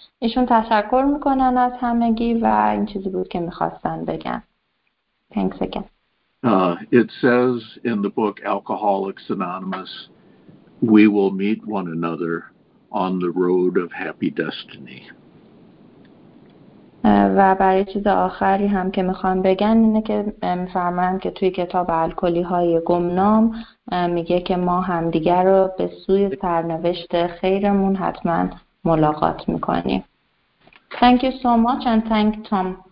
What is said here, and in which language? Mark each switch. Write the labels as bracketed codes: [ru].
[fa] ایشون تشکر میکنن از همگی و این چیزی بود که میخواستن بگن. [en] Thanks again. It says in the book Alcoholics Anonymous, we will meet one another on the road of happy destiny. [fa] و برای چیز آخری هم که میخوام بگن اینه که میفرمایم که توی کتاب الکلی های گمنام میگه که ما همدیگر رو به سوی سرنوشت خیرمون حتما ملاقات میکنیم. [en] Thank you so much and thank Tom.